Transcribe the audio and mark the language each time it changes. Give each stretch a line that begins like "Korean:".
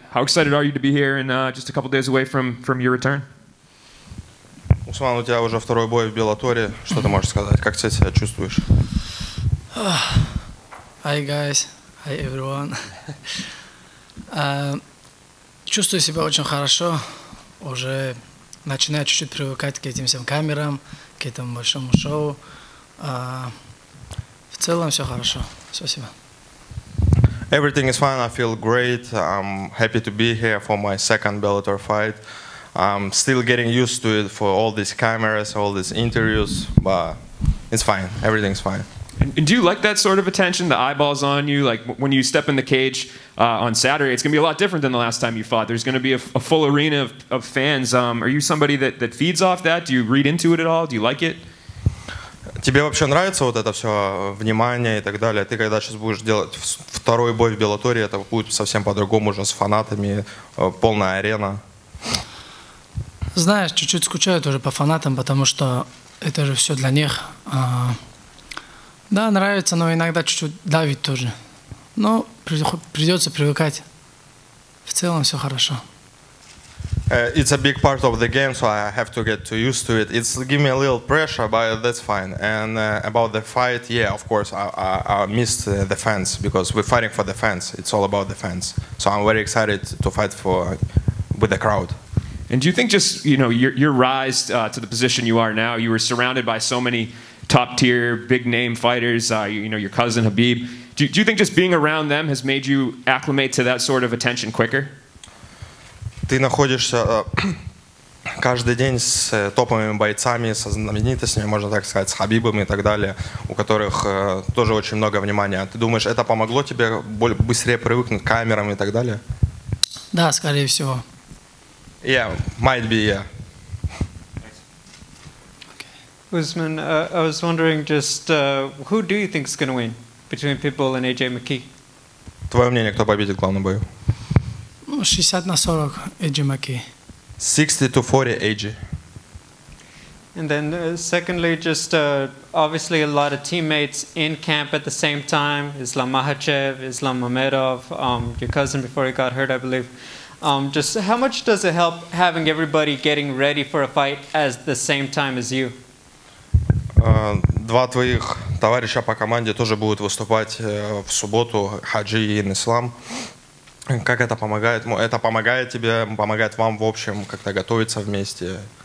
English: How excited are you to be here and just a couple days away from your return?
Russian: Усман, у тебя уже второй бой в Беллаторе. Что ты можешь сказать? Как ты себя чувствуешь?
English: Hi, guys. Hi, everyone.
Russian: Чувствую себя очень хорошо. Уже начинаю чуть-чуть привыкать к этим всем камерам, к этому большому шоу. В целом все хорошо. Спасибо.
English: Everything is fine. I feel great. I'm happy to be here for my second Bellator fight. I'm still getting used to it for all these cameras, all these interviews, but it's fine. Everything's fine. And do you like that sort of attention, the eyeballs on you? Like when you step in the cage on Saturday, it's going to be a lot different than the last time you fought. There's going to be a full arena of fans. Are you somebody that feeds off that? Do you read into it at all? Do you like it?
Russian: Тебе вообще нравится вот это все внимание и так далее? Ты когда сейчас будешь делать второй бой в Беллаторе, это будет совсем по-другому уже с фанатами, полная арена. Знаешь, чуть-чуть скучаю тоже по фанатам, потому что это же все для них. Да, нравится, но иногда чуть-чуть давит тоже. Но придется привыкать. В целом все хорошо.
English: It's a big part of the game, so I have to get too used to it. It's giving me a little pressure, but that's fine. And about the fight, yeah, of course, I missed the fans because we're fighting for the fans. It's all about the fans. So I'm very excited to fight with the crowd. And do you think just, you know, your rise to the position you are now, you were surrounded by so many top-tier, big-name fighters, you know, your cousin Habib. Do you think just being around them has made you acclimate to that sort of attention quicker?
Russian: Ты находишься каждый день с топовыми бойцами, со знаменитостями, можно так сказать, с Хабибом и так далее, у которых тоже очень много внимания. Ты думаешь, это помогло тебе быстрее привыкнуть к камерам и так далее? Да, скорее всего.
English: Yeah, might be, yeah. Okay. Usman, I was wondering just, who do you think is going to win between Pitbull and AJ McKee?
Russian: Твое мнение, кто победит в главном бою?
English: 60-40 AJ McKee. 60-40 AJ. And then secondly, just obviously a lot of teammates in camp at the same time. Islam Makhachev, Islam Mamedov, your cousin before he got hurt, I believe. Just how much does it help having everybody getting ready for a fight at the same time as you?
Russian: Два твоих товарища по команде тоже будут выступать в субботу, Хаджи и Ислам. Как это помогает? Это помогает тебе, помогает вам в общем как-то готовиться вместе?